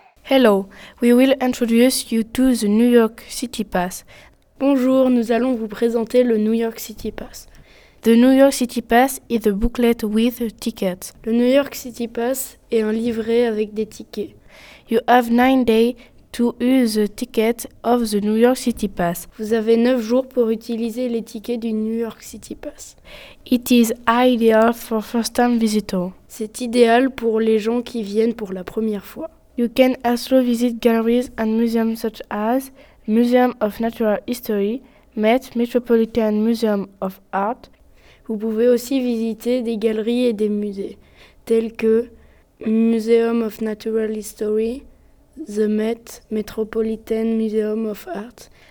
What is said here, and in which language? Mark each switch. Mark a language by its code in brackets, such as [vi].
[en] Hello, we will introduce you to the New York City Pass. [fr] Bonjour, nous allons vous présenter le New York City Pass. [en] The New York City Pass is a booklet with tickets. [fr] Le New York City Pass est un livret avec des tickets. [en] You have 9 days to use the ticket of the New York City Pass. [fr] Vous avez 9 jours pour utiliser les tickets du New York City Pass. [en] It is ideal for first-time visitors. [fr] C'est idéal pour les gens qui viennent pour la première fois. [en] You can also visit galleries and museums such as Museum of Natural History, Met Metropolitan Museum of Art. [fr] Vous pouvez aussi visiter des galeries et des musées, tels que Museum of Natural History, The Met, Metropolitan Museum of Art.